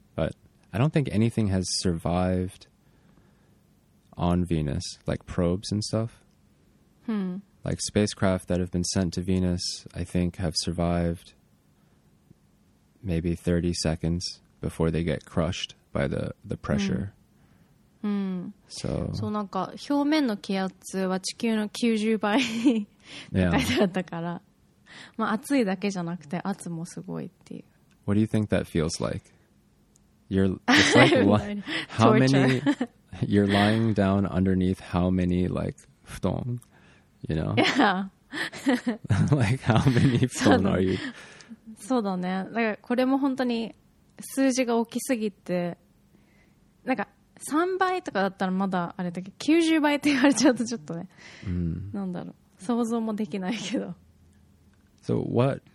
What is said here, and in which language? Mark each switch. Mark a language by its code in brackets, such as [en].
[en] But I don't think anything has survived on Venus, like probes and stuff. Like spacecraft that have been sent to Venus, I think have survived... maybe 30 seconds before they get crushed by the pressure. So, [ja] そうなんか表面の気圧は地球の90倍高いだったから、まあ暑いだけじゃなくて圧もすごいっていう。 [en] What do you think that feels like? You're lying down underneath how many like 布団, you know? Yeah. like how many 布団 are you? [ja] そうだね。だからこれも本当に数字が大きすぎて、なんか3倍とかだったらまだあれだけど、90倍って言われちゃうとちょっとね、なんだろう、想像もできないけど。 [en] So what?